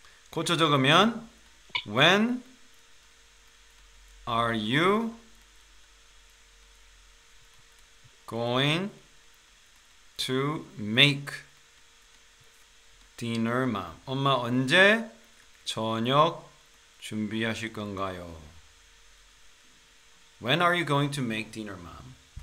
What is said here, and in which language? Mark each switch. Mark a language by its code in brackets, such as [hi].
[en] 고쳐 적으면 When are you going to make dinner, mom? [ko] 엄마 언제 저녁 준비하실 건가요? [en] When are you going to make dinner, mom?